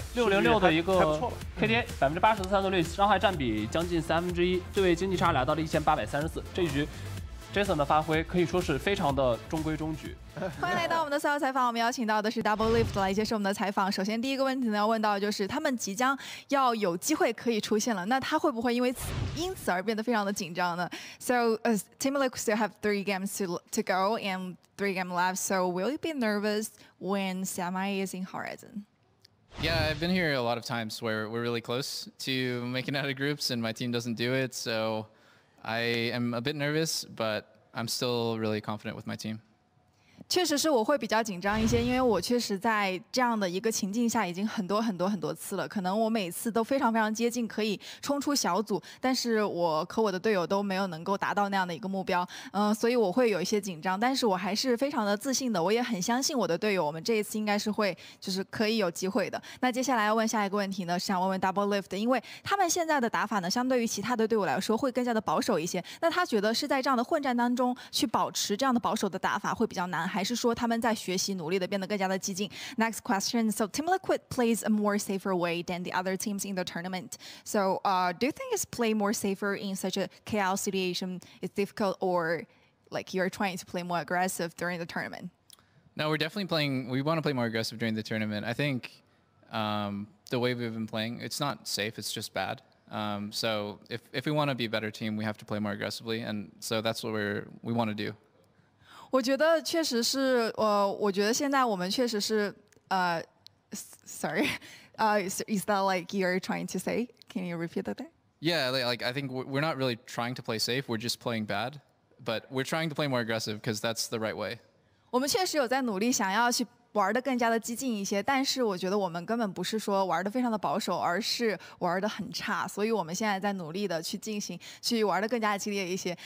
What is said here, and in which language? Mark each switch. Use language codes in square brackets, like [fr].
[zh] 对，66的一个 KDA 80%的三分率，伤害占比将近1/3，对位经济差来到了1834，这一局Jason 的发挥可以说是非常的中规中矩。欢迎来到我们的赛后采访，我们邀请到的是 Double Lift 来接受我们的采访。首先第一个问题呢，要问到就是他们即将要有机会可以出现了，那他会不会因此而变得非常的紧张呢？ [en] So Team Liquid still have 3 games to go and 3 game left. So will you be nervous when Semi is in Horizon? Yeah, I've been here a lot of times where we're really close to making out of groups and my team doesn't do it, so. I am a bit nervous, but I'm still really confident with my team. [zh] 确实是我会比较紧张一些，因为我确实在这样的一个情境下已经很多很多很多次了，可能我每次都非常非常接近可以冲出小组，但是我和我的队友都没有能够达到那样的一个目标，所以我会有一些紧张，但是我还是非常的自信的，我也很相信我的队友，我们这一次应该是会就是可以有机会的。那接下来要问下一个问题呢，想问问 Double Lift， 因为他们现在的打法呢相对于其他的队伍来说会更加的保守一些，那他觉得是在这样的混战当中去保持这样的保守的打法会比较难，还是说他们在学习努力的变得更加的激进。 [en] Next question. So Team Liquid plays a more safer way than the other teams in the tournament. So do you think it's play more safer in such a chaos situation is difficult, or like you're trying to play more aggressive during the tournament? No, we're definitely playing. We want to play more aggressive during the tournament. I think the way we've been playing, it's not safe. It's just bad. So if we want to be a better team, we have to play more aggressively. And so that's what we want to do. [zh] 我觉得确实是，我觉得现在我们确实是， [en] is that like you're trying to say? Can you repeat that? Yeah, like I think we're not really trying to play safe. We're just playing bad, but we're trying to play more aggressive because that's the right way. [zh] 我们确实有在努力想要去玩的更加的激进一些，但是我觉得我们根本不是说玩的非常的保守，而是玩的很差，所以我们现在在努力的去进行，去玩的更加激烈一些。